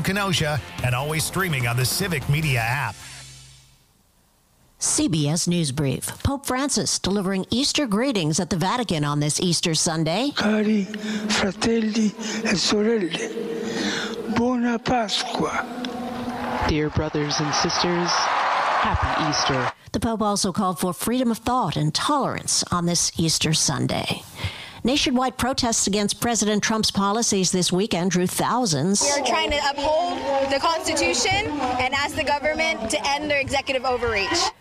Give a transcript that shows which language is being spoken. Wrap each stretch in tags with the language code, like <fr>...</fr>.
<en>Kenosha, and always streaming on the Civic Media app. CBS News Brief. Pope Francis delivering Easter greetings at the Vatican on this Easter Sunday.</en> <it>Cari fratelli e sorelle, buona Pasqua.</it> <en>Dear brothers and sisters, happy Easter. The Pope also called for freedom of thought and tolerance on this Easter Sunday. Nationwide protests against President Trump's policies this weekend drew thousands. We are trying to uphold the Constitution and ask the government to end their executive overreach.</en>